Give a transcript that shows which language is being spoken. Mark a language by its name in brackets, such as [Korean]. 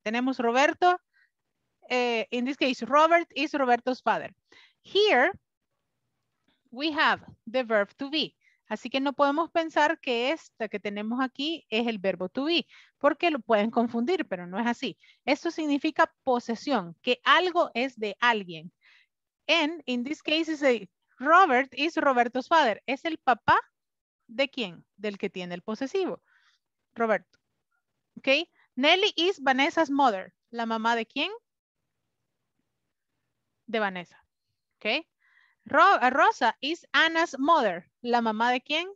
[English] Tenemos Roberto, in this case, Robert is Roberto's father. Here, we have the verb to be. [Spanish] Así que no podemos pensar que esta que tenemos aquí es el verbo to be, porque lo pueden confundir, pero no es así. Esto significa posesión, que algo es de alguien. [English] And in this case, it's a Robert is Roberto's father. [Spanish] ¿Es el papá de quién? Del que tiene el posesivo. Roberto. Okay. [English] Nelly is Vanessa's mother. [Spanish] ¿La mamá de quién? De Vanessa. [English] Okay. Rosa is Anna's mother. [Spanish] ¿La mamá de quién?